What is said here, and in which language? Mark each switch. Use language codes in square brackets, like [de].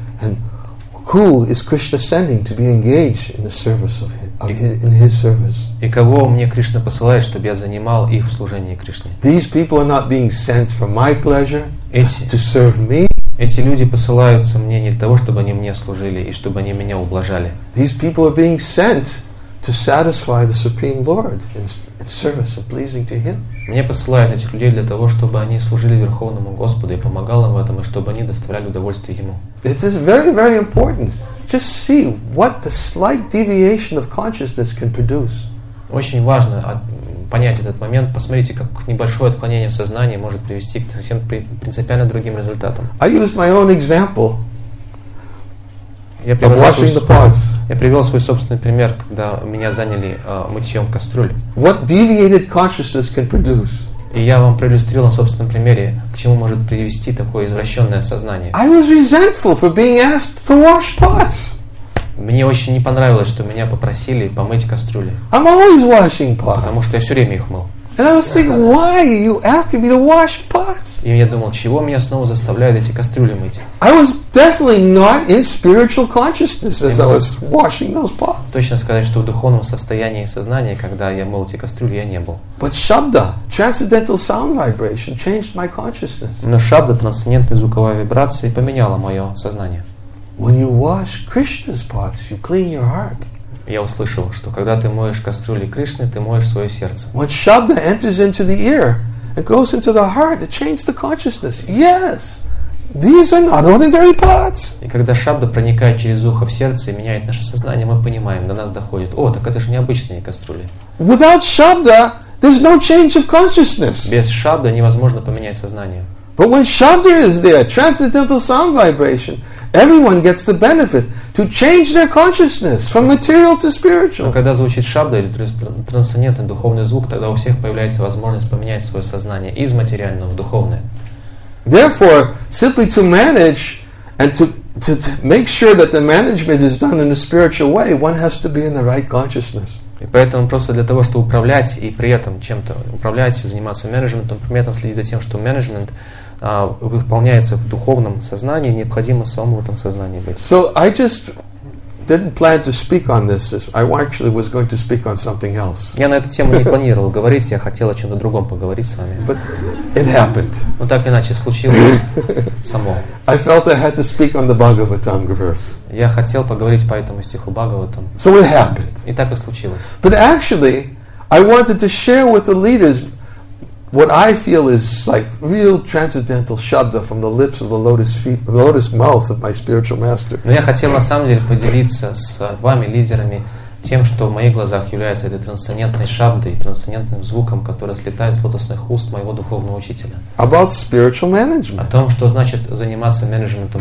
[en] And who is Krishna sending to be engaged in the service of him, in his service? [ru] И кого мне Кришна посылает, чтобы я занимал их в служении Кришне? [en] These people are not being sent for my pleasure, to serve me. [ru] Эти люди посылаются мне не для того, чтобы они мне служили и чтобы они меня ублажали. [en] These people are being sent to satisfy the Supreme Lord in service of pleasing to him. [ru] Мне посылают этих людей для того, чтобы они служили Верховному Господу и помогал им в этом, и чтобы они доставляли удовольствие Ему. [en] It is very, very important. Just see what the slight deviation of consciousness can produce. [ru] Очень важно понять этот момент. Посмотрите, как небольшое отклонение сознания может привести к совсем принципиально другим результатам. [en] I used my own example. [ru] Я привел свой собственный пример, когда меня заняли мытьем кастрюль. [en] What deviated consciousness can produce? [ru] И я вам проиллюстрировал на собственном примере, к чему может привести такое извращенное сознание. [en] I was resentful for being asked to wash pots. [ru] Мне очень не понравилось, что меня попросили помыть кастрюли. [en] I'm always washing pots. [ru] Потому что я все время их мыл. [en] And I was thinking, why are you asking me to wash pots? [ru] И я думал, чего меня снова заставляют эти кастрюли мыть? [en] I was definitely not in spiritual consciousness as I was washing those pots. [ru] Точно сказать, что в духовном состоянии сознания, когда я мыл эти кастрюли, я не был. [en] But shabda, transcendental sound vibration, changed my consciousness. [ru] Но шабда, трансцендентная звуковая вибрация, поменяла мое сознание. [en] When you wash Krishna's pots, you clean your heart. [ru] Я услышал, что когда ты моешь кастрюли Кришны, ты моешь свое сердце. [en] When shabda enters into the ear, it goes into the heart, it changes the consciousness. Yes, these are not ordinary pots. [ru] И когда шабда проникает через ухо в сердце и меняет наше сознание, мы понимаем, до нас доходит: о, так это же необычные кастрюли. [en] Without shabda, There's no change of consciousness. [ru] Без шабды невозможно поменять сознание. [en] But when shabda is there, transcendental sound vibration, everyone gets the benefit to change their consciousness from material to spiritual. [ru] Но когда звучит шабда или трансцендентный духовный звук, тогда у всех появляется возможность поменять свое сознание из материального в духовное. [en] Therefore, simply to manage and to make sure that the management is done in a spiritual way, one has to be in the right consciousness. [ru] И поэтому просто для того, чтобы управлять и при этом чем-то управлять, заниматься менеджментом, при этом следить за тем, что менеджмент выполняется в духовном сознании, необходимо самому в этом сознании быть. [en] So I just didn't plan to speak on this. I actually was going to speak on something else. [ru] Я на эту тему не планировал говорить, я хотел о чем-то другом поговорить с вами. [en] But it happened. [ru] Но так иначе случилось само. [en] I felt I had to speak on the Bhagavatam verse. [ru] Я хотел поговорить по этому стиху Бхагаватам. [en] So it happened. [ru] И так и случилось. [en] But actually, I wanted to share with the leaders what I feel is like real transcendental shabda from the lips of the lotus feet, the lotus mouth of my spiritual master. [ru] Но я хотел на самом деле поделиться с вами, лидерами, тем, что в моих глазах является этой трансцендентной шабдой, трансцендентным звуком, который слетает с лотосных уст моего духовного учителя. [en] About spiritual management. [ru] О том, что значит заниматься менеджментом.